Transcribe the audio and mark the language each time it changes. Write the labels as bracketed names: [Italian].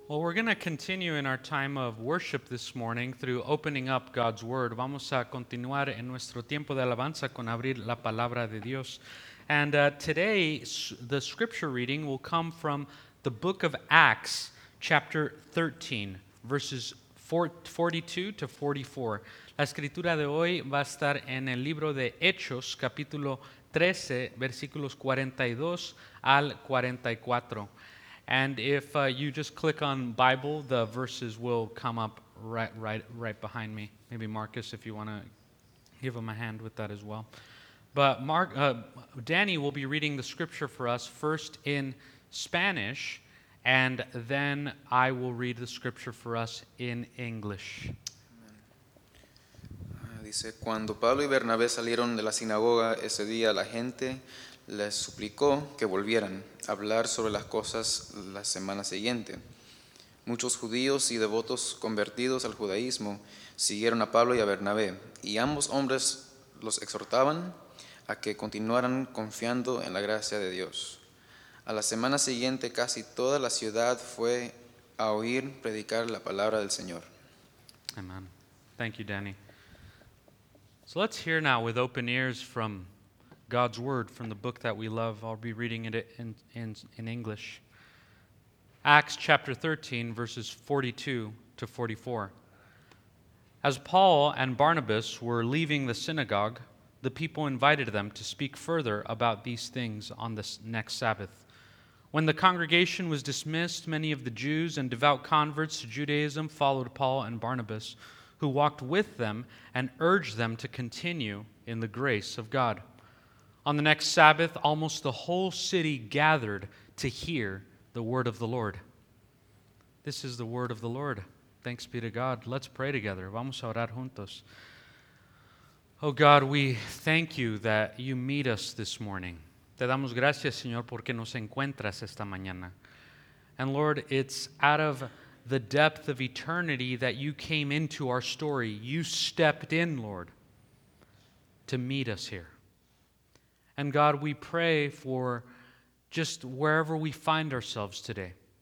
[English] Well, we're going to continue in our time of worship this morning through opening up God's Word. [Spanish] Vamos a continuar en nuestro tiempo de alabanza con abrir la palabra de Dios. [English] And today, the scripture reading will come from the book of Acts, chapter 13, verses 42-44. [Spanish] La escritura de hoy va a estar en el libro de Hechos, capítulo 13, versículos 42-44. [English] And if you just click on Bible, the verses will come up right behind me. Maybe Marcus, if you want to give him a hand with that as well. But Danny will be reading the scripture for us first in Spanish, and then I will read the scripture for us in English. [Spanish] Dice, cuando Pablo y Bernabé salieron de la sinagoga ese día, la gente les suplicó que volvieran a hablar sobre las cosas la semana siguiente. Muchos judíos y devotos convertidos al judaísmo siguieron a Pablo y a Bernabé, y ambos hombres los exhortaban a que continuaran confiando en la gracia de Dios. A la semana siguiente, casi toda la ciudad fue a oír predicar la palabra del Señor. [English] Amen. Thank you, Danny. So let's hear now with open ears from God's Word, from the book that we love. I'll be reading it in English. Acts chapter 13, verses 42-44. As Paul and Barnabas were leaving the synagogue, the people invited them to speak further about these things on the next Sabbath. When the congregation was dismissed, many of the Jews and devout converts to Judaism followed Paul and Barnabas, who walked with them and urged them to continue in the grace of God. On the next Sabbath, almost the whole city gathered to hear the word of the Lord. This is the word of the Lord. Thanks be to God. Let's pray together. [Spanish] Vamos a orar juntos. [English] Oh God, we thank you that you meet us this morning. [Spanish] Te damos gracias, Señor, porque nos encuentras esta mañana. [English] And Lord, it's out of the depth of eternity that you came into our story. You stepped in, Lord, to meet us here. And God, we pray for just wherever we find ourselves today.